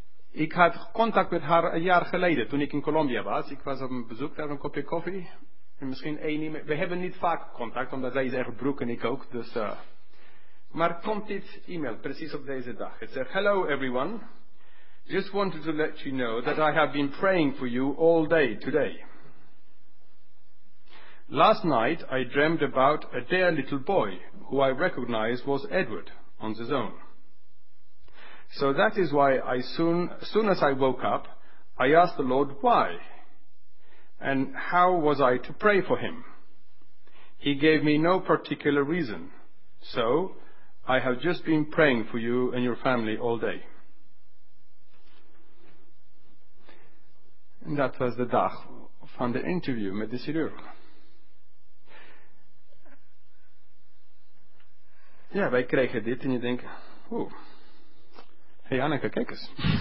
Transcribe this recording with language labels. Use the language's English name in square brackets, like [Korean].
[Dutch] Ik had contact met haar een jaar geleden toen ik in Colombia was. Ik was op een bezoek daar, een kopje koffie. En misschien één. We hebben niet vaak contact, omdat zij is erg broek en ik ook. Dus, Maar komt dit e-mail precies op deze dag. Het zegt, [English] hello everyone. Just wanted to let you know that I have been praying for you all day today. Last night I dreamt about a dear little boy who I recognized was Edward on his own. So that is why as soon as I woke up, I asked the Lord why and how was I to pray for him. He gave me no particular reason. So I have just been praying for you and your family all day. [Dutch] En dat was de dag van de interview met de chirurg. Ja, wij kregen dit en je denkt, oeh, hey Anneke, kijk eens.